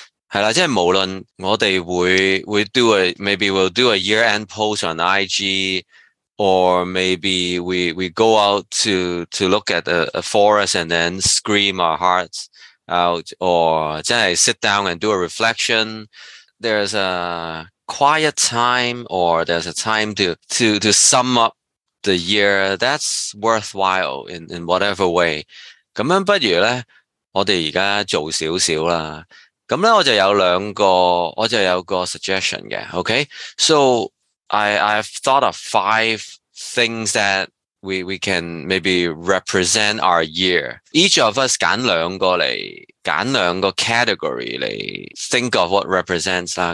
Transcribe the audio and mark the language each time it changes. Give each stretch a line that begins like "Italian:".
English: 系啦，即系无论我哋会 do a maybe we'll do a year end post on IG， or maybe we go out to look at a forest and then scream our hearts out， or 即系 sit down and do a reflection。 There's a quiet time or there's a time to sum up the year that's worthwhile in whatever way。
Cantonese: 咁样不如咧，我哋而家做少少啦。咁咧，我就有个 suggestion 嘅 ，okay？
English: So I've thought of five things that we can maybe represent our year. Each of us 揀兩個 category 嚟 think of what represents 啦。